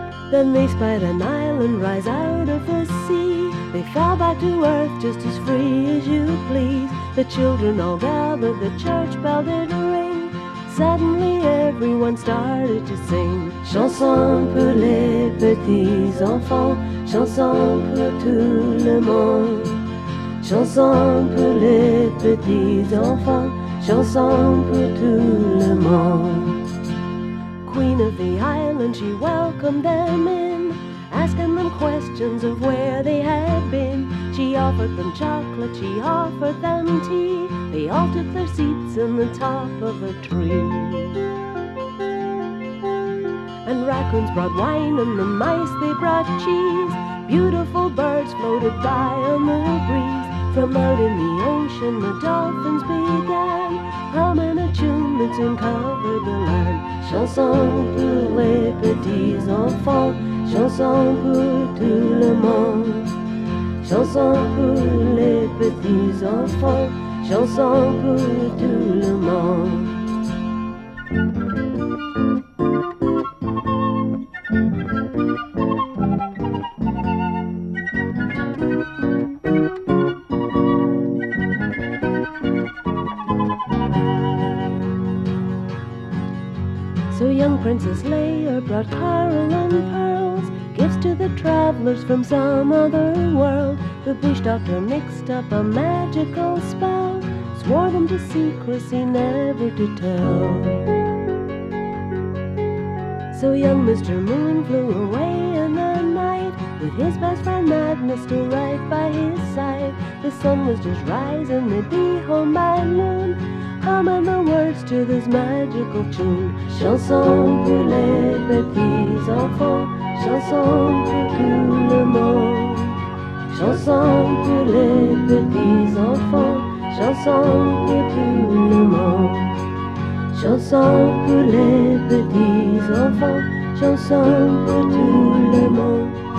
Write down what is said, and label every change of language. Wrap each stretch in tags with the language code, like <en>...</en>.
<en>Then they spied an island rise out of the sea. They fell back to Earth just as free as you please. The children all gathered, the church bell did ring. Suddenly everyone started to sing.</en> <fr>Chanson pour les petits enfants, chanson pour tout le monde. Chanson pour les petits enfants, chanson pour tout le monde.</fr> <en>Queen of the island, she welcomed them in, asking them questions of where they had been. She offered them chocolate, she offered them tea. They all took their seats in the top of a tree. And raccoons brought wine, and the mice they brought cheese. Beautiful birds floated by on the breeze. From out in the ocean the dolphins began humming a tune that soon covered the land.</en> <fr>Chanson pour les petits enfants, chanson pour tout le monde. Chanson pour les petits enfants, chanson pour tout le monde.</fr> <en>So young Princess Leia brought coral and pearls, gifts to the travelers from some other world. The bush doctor mixed up a magical spell, swore them to secrecy, never to tell. So young Mr. Moon flew away in the night with his best friend Magnus still right by his side. The sun was just rising, they'd be home by noon, humming the words to this magical tune.</en> <fr>Chanson pour les petits enfants, chanson pour tout le monde. Chanson pour les petits enfants, chanson pour tout le monde. Chanson pour les petits enfants, chanson pour tout le monde.</fr>